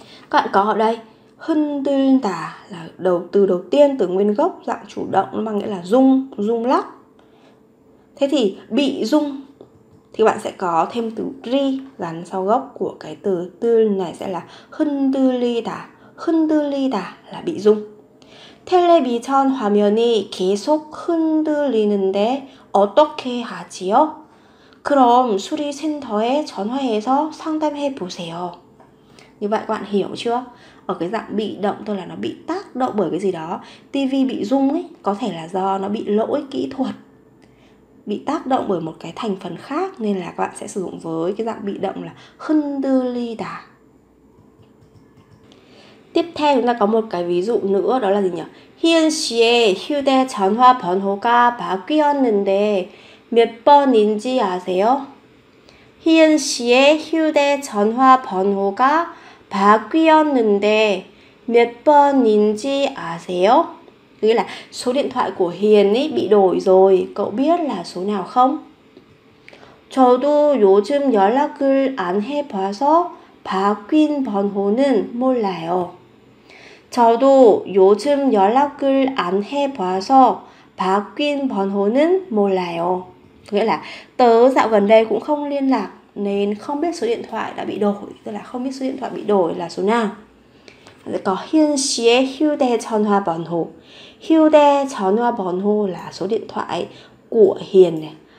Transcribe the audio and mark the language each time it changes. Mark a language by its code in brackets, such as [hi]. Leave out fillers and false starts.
[vi] Các bạn có ở đây 흔들다 là đầu từ đầu tiên, từ nguyên gốc dạng chủ động, nó mang nghĩa là rung, rung lắc. Thế thì bị rung thì bạn sẽ có thêm từ ri gắn sau gốc của cái từ tư này, sẽ là 흔들리다. 흔들리다 là bị rung. [ko] 텔레비전 화면이 계속 흔들리는데 어떻게 하지요? 그럼 수리센터에 전화해서 상담해 보세요. [vi] Như vậy các bạn hiểu chưa? Ở cái dạng bị động thôi là nó bị tác động bởi cái gì đó. TV bị rung ấy, có thể là do nó bị lỗi kỹ thuật, bị tác động bởi một cái thành phần khác, nên là các bạn sẽ sử dụng với cái dạng bị động là 흔들리다. Tiếp theo chúng ta có một cái ví dụ nữa, đó là gì nhỉ? [ko] 희은 씨의 휴대전화 번호가 바뀌었는데 몇 번인지 아세요? 희은 씨의 휴대전화 번호가 바뀌었는데 몇 번인지 아세요? [vi] Nghĩa là số điện thoại của Hiền ấy bị đổi rồi, cậu biết là số nào không? [ko] 저도 요즘 연락을 안 해봐서 바뀐 번호는 몰라요. 저도 요즘 연락을 안 해봐서 바뀐 번호는 몰라요. [vi] Nghĩa là tớ dạo gần đây cũng không liên lạc nên không biết số điện thoại đã bị đổi. Tức là không biết số điện thoại bị đổi là số nào. Có hiện sĩ hưu đề chọn hoa bản hồ. Hưu đề chọn hoa bản hồ là số điện thoại của Hiền này.